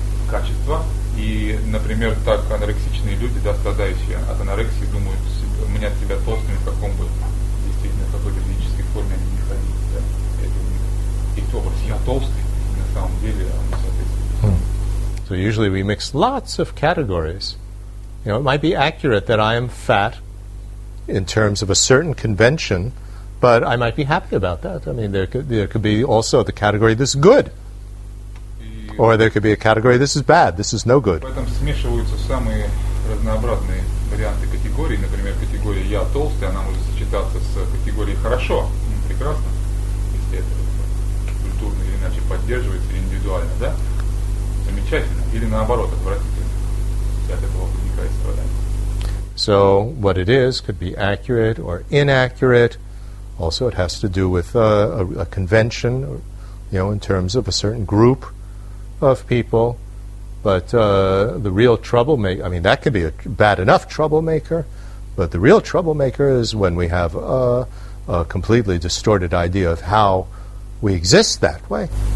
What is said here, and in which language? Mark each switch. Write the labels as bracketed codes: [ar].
[ru] качества. И, например, так анорексичные люди, да, страдающие от анорексии, думают, мнят себя толстыми в каком бы, действительно, в какой бы физической форме они не ходили. Да. Это у них есть образ «я толстый», на самом деле он соответствует. Hmm. [en] So usually we mix lots of categories. You know, it might be accurate that I am fat in terms of a certain convention, but I might be happy about that. I mean, there could be also the category this is good, or there could be a category this is bad, this is no good. [ru] Поэтому смешиваются самые разнообразные варианты категорий. Например, категория «я толстый», она может сочетаться с категорией «хорошо», «прекрасно», если это культурно или иначе поддерживается, или индивидуально, да? Замечательно. Или наоборот, отвратительно. И от этого возникает страдание. [en] So, what it is could be accurate or inaccurate. Also, it has to do with a convention, or, you know, in terms of a certain group of people. But the real troublemaker, I mean, that could be a bad enough troublemaker, but the real troublemaker is when we have a completely distorted idea of how we exist that way.